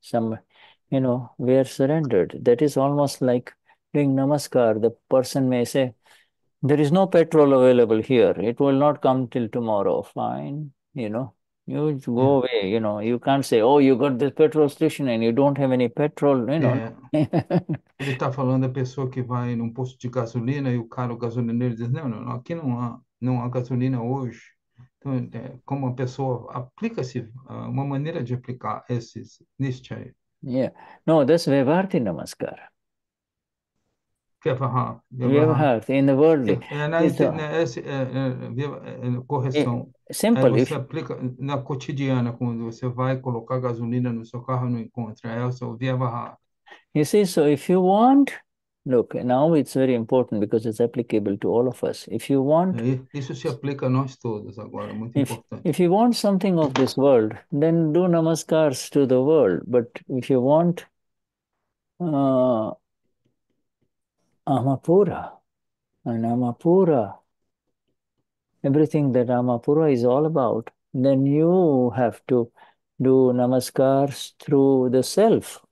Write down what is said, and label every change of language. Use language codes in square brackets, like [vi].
[en] We are surrendered. That is almost like doing namaskar. The person may say, there is no petrol available here. It will not come till tomorrow. Fine, you know. You go away, you know. You can't say, oh, you got this petrol station and you don't have any petrol, you know. [pt] Ele está falando da pessoa que vai num posto de gasolina e o cara, o gasolineiro, diz, não, aqui não há gasolina hoje. Então, como a pessoa aplica-se, uma maneira de aplicar esses nishchay. [en] Yeah. No, that's Vevarti Namaskar. Vyavahar, Vyavahar. Vyavahar, in the worldly. Então, [pt] correção. Aí simples. você aplica na cotidiana, quando você vai colocar gasolina no seu carro, não encontra. É o seu Vyavahar. [en] You see, so if you want, look, now it's very important because it's applicable to all of us. If you want, [pt] Isso se aplica a nós todos agora, muito importante. [en] if you want something of this world, then do namaskars to the world. But if you want amapura, anamapura, everything that amapura is all about, then you have to do namaskars through the self.